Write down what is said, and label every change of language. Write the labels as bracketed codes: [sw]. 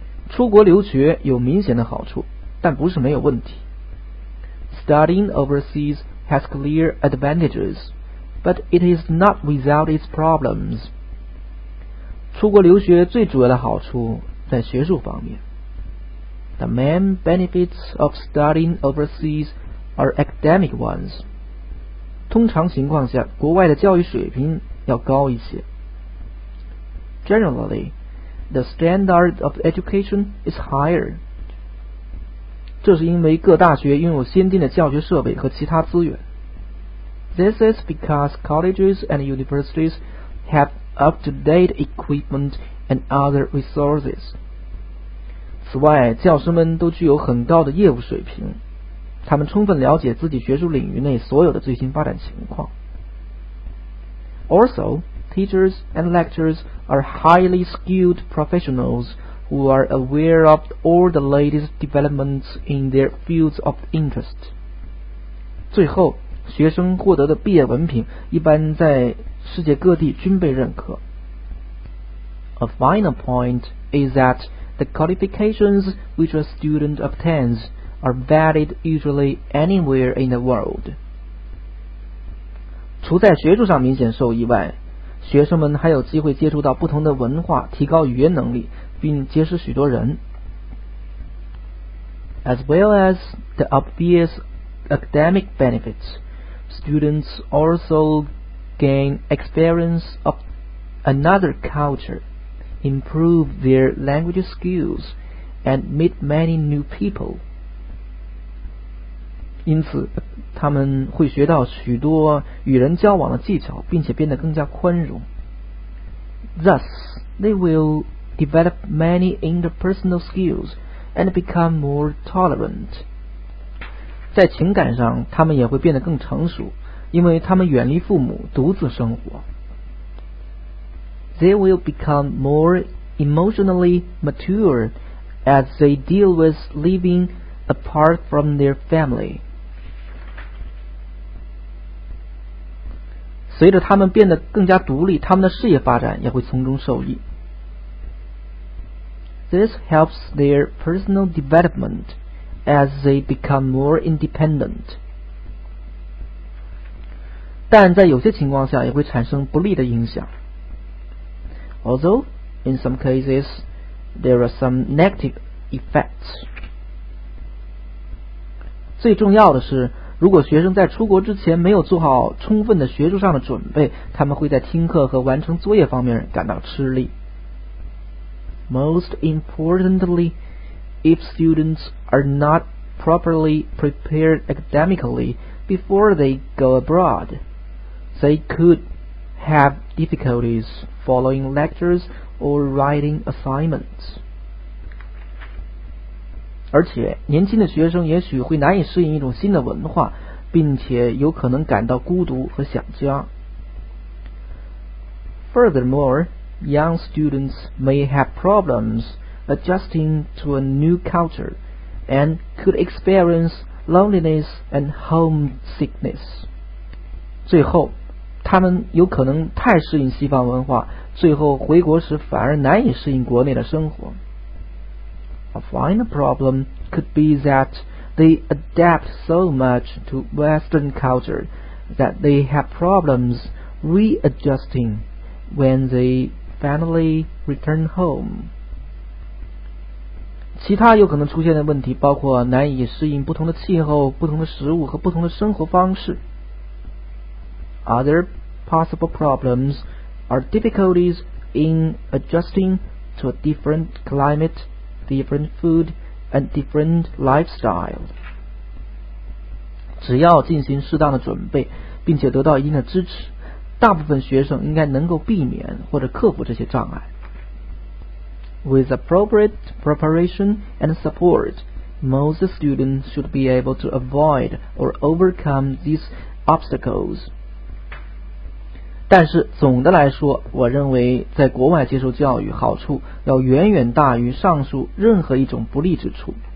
[zh] 出国留学有明显的好处，但不是没有问题。 [en] Studying overseas has clear advantages, but it is not without its problems. [zh] 出国留学最主要的好处在学术方面。 [en] The main benefits of studying overseas are academic ones. [zh] 通常情况下，国外的教育水平要高一些。 [en] Generally, the standard of education is higher. [zh] 这是因为各大学拥有先进的教学设备和其他资源。 [en] This is because colleges and universities have up-to-date equipment and other resources. [zh] 此外，教师们都具有很高的业务水平，他们充分了解自己学术领域内所有的最新发展情况。 [en] Also,Teachers and lecturers are highly skilled professionals who are aware of all the latest developments in their fields of interest. [zh] 最后，学生获得的毕业文凭一般在世界各地均被认可。 [en] A final point is that the qualifications which a student obtains are valid usually anywhere in the world. [zh] 除在学术上明显受益外，学生们还有机会接触到不同的文化，提高语言能力，并结识许多人。 [en] As well as the obvious academic benefits, students also gain experience of another culture, improve their language skills, and meet many new people. [zh] 因此，他们会学到许多与人交往的技巧，并且变得更加宽容。 [en] Thus, they will develop many interpersonal skills and become more tolerant. [zh] 在情感上，他们也会变得更成熟，因为他们远离父母，独自生活。 [en] They will become more emotionally mature as they deal with living apart from their family. [zh] 随着他们变得更加独立，他们的事业发展也会从中受益。 [en] This helps their personal development as they become more independent. [zh] 但在有些情况下也会产生不利的影响。 [en] Although, in some cases, there are some negative effects. [zh] 最重要的是，如果学生在出国之前没有做好充分的学术上的准备，他们会在听课和完成作业方面感到吃力。 [en] Most importantly, if students are not properly prepared academically before they go abroad, they could have difficulties following lectures or writing assignments. [zh] 而且年轻的学生也许会难以适应一种新的文化，并且有可能感到孤独和想家。 [en] Furthermore, young students may have problems adjusting to a new culture and could experience loneliness and homesickness. [zh] 最后，他们有可能太适应西方文化，最后回国时反而难以适应国内的生活。 [en] A final problem could be that they adapt so much to Western culture that they have problems readjusting when they finally return home. [zh] 其他有可能出现的问题包括难以适应不同的气候、不同的食物和不同的生活方式。 [en] Other possible problems are difficulties in adjusting to a different climate. Different food and different lifestyle. [zh] 只要进行适当的准备，并且得到一定的支持，大部分学生应该能够避免或者克服这些障碍。 [en] With appropriate preparation and support, most students should be able to avoid or overcome these obstacles. [zh] 但是总的来说，我认为在国外接受教育好处要远远大于上述任何一种不利之处。